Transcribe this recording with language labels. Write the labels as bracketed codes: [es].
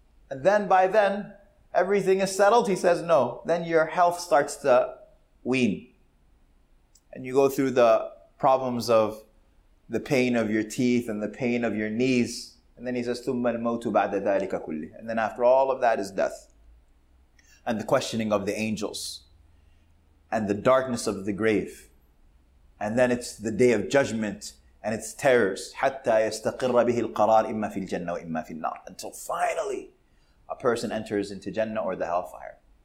[en] And then by then, everything is settled. He says, no. Then your health starts to wean. And you go through the problems of the pain of your teeth and the pain of your knees. And then he says, [ar] ثُمَّ الْمَوْتُ بَعْدَ ذَلِكَ كُلِّهِ. [en] And then after all of that is death. And the questioning of the angels. And the darkness of the grave. And then it's the day of judgment. And it's terrors. [ar] حَتَّى يَسْتَقِرَّ بِهِ الْقَرَارِ إِمَّا فِي الْجَنَّةِ وَإِمَّا فِي النَّارِ. [en] Until finally, a person enters into Jannah or the hellfire.